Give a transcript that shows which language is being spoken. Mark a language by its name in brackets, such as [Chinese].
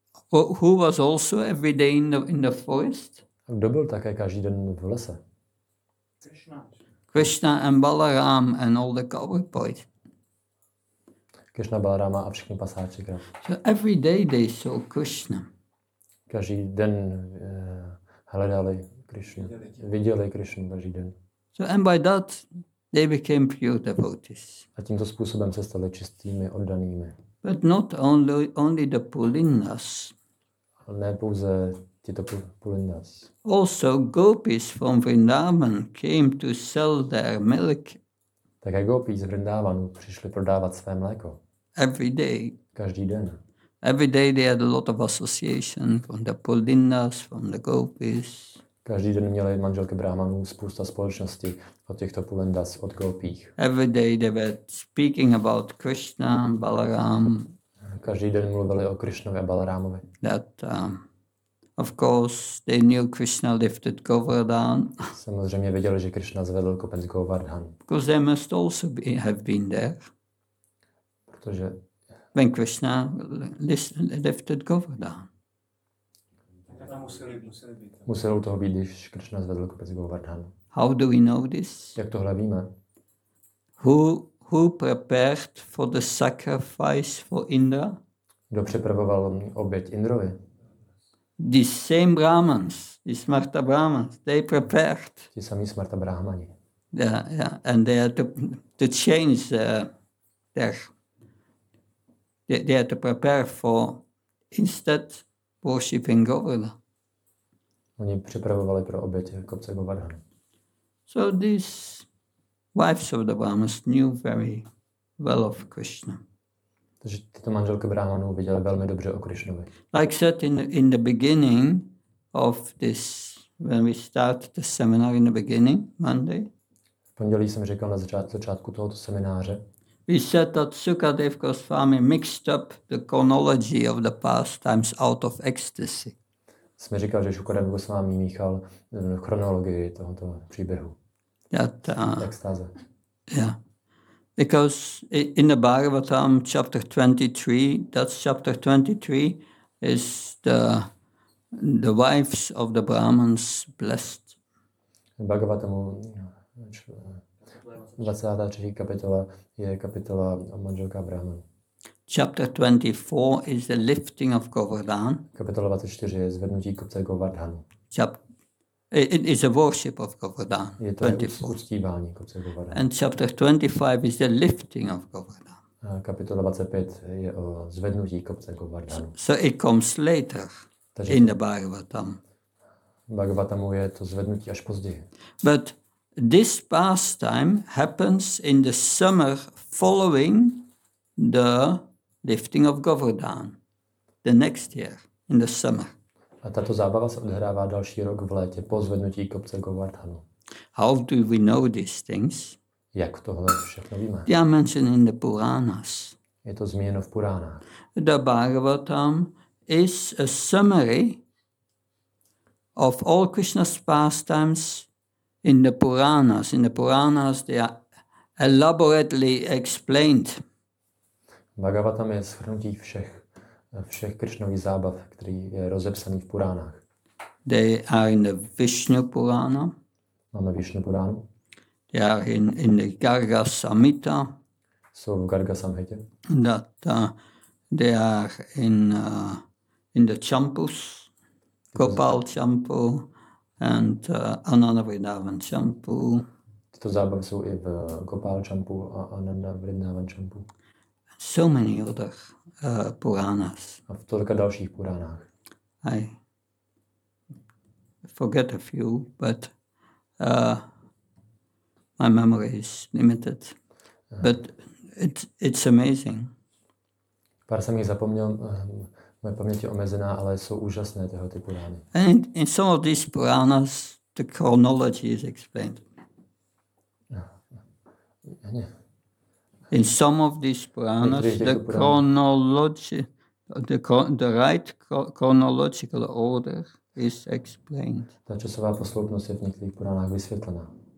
[English] Who was also every day in the forest? [Czech] Kdo byl také každý den v lese? [English] Krishna and Balaram and all the cowboys. [Czech] Krishna, Balarama a všichni pasáči. [English] So every day they saw Krishna. [Czech] Každý den hledali Krishnu. Viděli Krishnu každý den. [English] So and by that they became pure devotees. [Czech] A tímto způsobem se stali čistými oddanými. [English] But not only the Pulindas. [Czech] Ne pouze tyto Pulindas. [English] Also gopis from Vrindavan came to sell their milk. [Czech] Také gopis z Vrindavanu přišli prodávat své mléko. [English] Every day. [Czech] Každý den. [English] Every day they had a lot of association from the Pulindas, from the gopis. [Czech] Každý den měli manželky brahmanů spousta společnosti od těchto Pulindas, od gopích. [English] Every day they were speaking about Krishna, Balaram. [Czech] Každý den mluvili o Krishnovi a Balarámovi. [English] That, of course, they knew Krishna lifted Govardhan. [Czech] Samozřejmě věděli, že Krishna zvedl kopec Govardhan. [English] Because they must also have been there. [Czech] Protože [English] when Krishna lifted Govardhan. [Czech] Musel u toho být, když Krishna zvedl kopec Govardhan. [English] How do we know this? [Czech] Jak tohle víme? [English] Who prepared for the sacrifice for Indra? [Czech] Kdo připravoval oběť Indrovi? [English] The same Brahmans, the Smarta Brahmans, they prepared. [Czech] Ti sami Smarta Brahmani. [English] Yeah, and they had to change they had to prepare for instead worshipping Govardhan. [Czech] Oni připravovali pro oběť kopce Govardhan. [English] So these wives of the Brahmans knew very well of Krishna. [Czech] Takže tyto manželky Brahmanů viděly velmi dobře o Krishnovi. [English] Like said in the beginning of this, when we start the seminar in the beginning, Monday. [Czech] V pondělí jsem řekl na začátku tohoto semináře. [English] We said that Sukadev Goswami mixed up the chronology of the pastimes out of ecstasy. [Czech] Jsme říkal, že Sukadev Goswami míchal chronologii tohoto příběhu. Extáze. Yeah. [English] Because in the Bhagavatam chapter 23, that's chapter 23, is the wives of the Brahmans blessed. [Czech] Bhagavatamu 23. kapitola je kapitola o manželkách Brahman. [English] Chapter 24 is the lifting of Govardhan. [Czech] Kapitola 24 je zvednutí kopce Govardhanu. [English] It is a worship of Govardhan. [Czech] Je to 24. uctívání kopce Govardhan. [English] And chapter 25 is the lifting of Govardhan. [Czech] A kapitola 25 je o zvednutí kopce Govardhanu. [English] So it comes later. [Czech] Takže [English] in the Bhagavatam. [Czech] Bhagavatamu je to zvednutí až později. [English] But this pastime happens in the summer following the lifting of Govardhan, the next year, in the summer. [Czech] A tato zábava se odehrává další rok v létě po zvednutí kopce Govardhanu. [English] How do we know these things? [Czech] Jak tohle všechno víme? [English] They are mentioned in the Puranas. [Czech] Je to zmíněno v Puránách. [English] The Bhagavatam is a summary of all Krishna's pastimes in the Puranas. In the Puranas they are elaborately explained. [Czech] Bhagavatam je shrnutí všech Krishnových zábav, který je rozepsaný v Puránách. [English] They are in the Vishnu Purana. [Czech] Máme Vishnu Puránu. [English] They are in the Garga Samhita. [Czech] Jsou v Garga Samhitě. [English] That they are in the Champus, Kopal Champu, and Ananda Vrindavan Champu. [Czech] Tyto zábavy jsou i v Gopal Champu a Ananda Vrindavan Champu. [English] So many other Puranas. [Czech] A v tolika dalších Puranách. [English] I forget a few, but my memory is limited. But it's amazing. [Czech] Pár jsem jich zapomněl, moje paměť je omezená, ale jsou úžasné tyhle ty Purány. [English] And in some of these Puranas, the chronology is explained. In some of these Puranas, the right chronological order is explained. [Czech] Ta časová posloupnost je v některých Puranách vysvětlená.